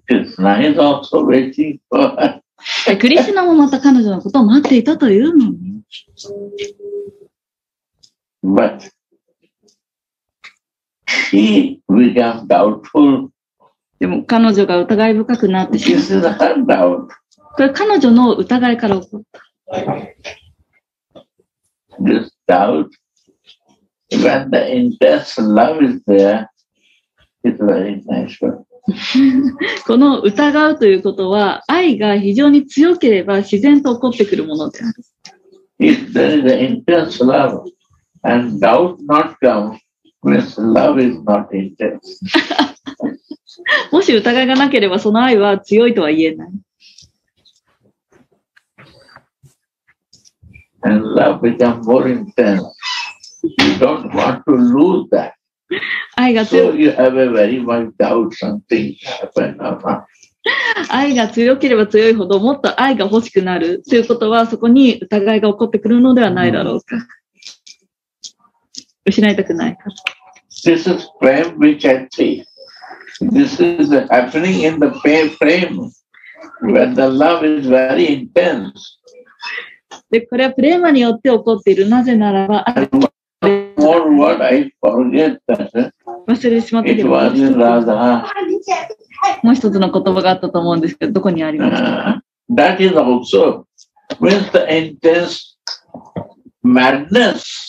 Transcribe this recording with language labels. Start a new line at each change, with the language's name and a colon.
Japanese: クリシュナもまた彼女のことを待っていたというのに。
English: But he became doubtful.
Japanese: でも彼女が疑い深くなってしまった。これ彼女の疑いから起こった。
English: This doubt, when the intense love is there, it's very natural.
Japanese: この疑うということは、愛が非常に強ければ自然と起こってくるものである。
English: If there is an intense love and doubt not come, Yes, love is not intense.
Japanese: もし疑いがなければその愛は強いとは言えない。
English: And love becomes more intense. You don't want to lose that.
Japanese: 愛が強い。
English: So you have a very much doubt something happened or not.
Japanese: 愛が強ければ強いほどもっと愛が欲しくなるということはそこに疑いが起こってくるのではないだろうか、mm. 失いたくないか
English: This is frame which I see. This is happening in the frame when the love is very intense.
Japanese: でこれはプレーマによって起こっているなぜならば
English: more what I forget that,
Japanese: 忘れてしまったけど
English: It was rather
Japanese: もう一つの言葉があったと思うんですけど、どこにありますか
English: That is also with the intense madness.